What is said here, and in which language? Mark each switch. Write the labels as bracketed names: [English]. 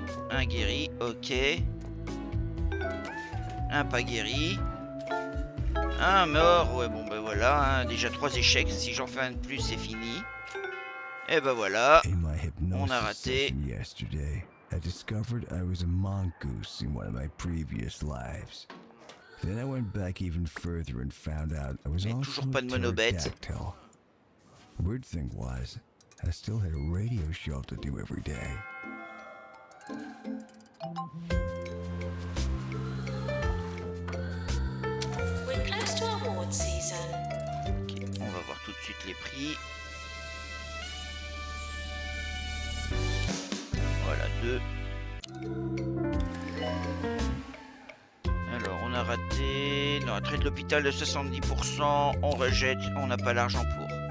[French] Un guéri, ok. Un pas guéri. Un mort, ouais bon ben voilà, hein, déjà 3 échecs, si j'en fais un de plus c'est fini. Et ben voilà, on a raté. [English] Yesterday, I discovered I was a mongoose in one of my previous lives. Then I went back even further and found out I was also a pterodactyl. Weird thing was, I still had a radio show to do every day. We're close to award season. [French] Okay, on va voir tout de suite les prix. Voilà, 2. Alors, on a raté. Non, un trait de l'hôpital de 70%. On rejette, on n'a pas l'argent pour.